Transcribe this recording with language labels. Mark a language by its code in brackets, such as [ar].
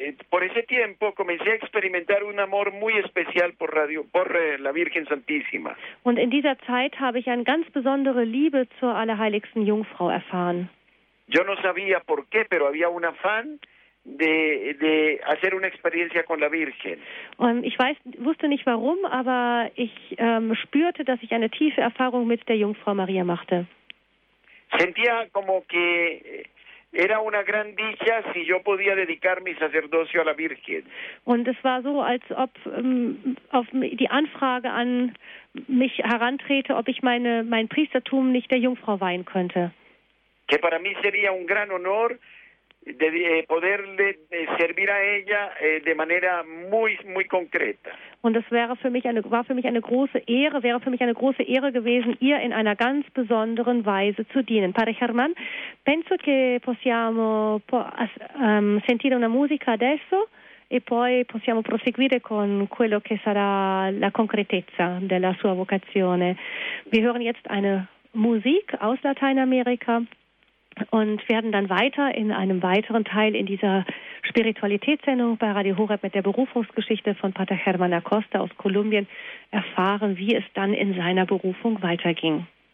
[es] Por ese tiempo comencé a experimentar un amor muy especial por la Virgen Santísima. [de] Und in dieser Zeit habe ich eine ganz besondere Liebe zur Allerheiligsten Jungfrau erfahren. [es] Yo no sabía por qué, pero había un afán de hacer una experiencia con la Virgen. [de] Ich wusste nicht warum, aber ich spürte, dass ich eine tiefe Erfahrung mit der Jungfrau Maria machte. [es] Sentía como que era una gran dicha si yo podía dedicar mi sacerdocio a la Virgen. [de] Und es war so, als ob auf die Anfrage an mich herantrete, ob ich mein Priestertum nicht der Jungfrau weihen könnte. [es] Que para mí sería un gran honor de poderle servir a ella de manera muy muy concreta. [de] Und es wäre für mich eine große Ehre gewesen, ihr in einer ganz besonderen Weise zu dienen. [it] Padre Germán, penso che possiamo sentire una musica adesso e poi possiamo proseguire con quello che sarà la concretezza della sua vocazione. [de] Wir hören jetzt eine Musik aus Lateinamerika und werden dann weiter in einem weiteren Teil in dieser Spiritualitätssendung bei Radio Horeb mit der Berufungsgeschichte von Pater Germán Acosta aus Kolumbien erfahren, wie es dann in seiner Berufung weiterging.